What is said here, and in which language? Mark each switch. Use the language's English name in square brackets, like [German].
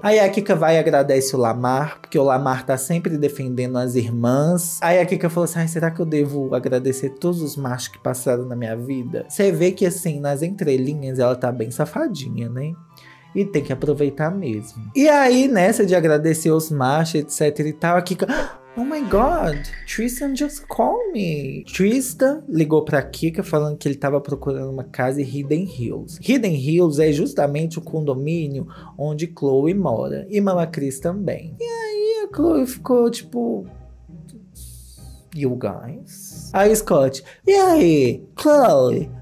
[Portuguese] Aí a Kika vai e agradece o Lamar, porque o Lamar tá sempre defendendo as irmãs. Aí a Kika fala assim, ai, será que eu devo agradecer todos os machos que passaram na minha vida? Você vê que assim, nas entrelinhas, ela tá bem safadinha, né? E tem que aproveitar mesmo. E aí, nessa de agradecer os machos, etc e tal, a Kika... [English] Oh my God, Tristan just called me. [Portuguese] Tristan ligou pra Kika falando que ele tava procurando uma casa em Hidden Hills. Hidden Hills é justamente o condomínio onde Chloe mora. E Mama Chris também. E aí a Chloe ficou tipo... [English] You guys? [Portuguese] Aí Scott, e aí, Chloe?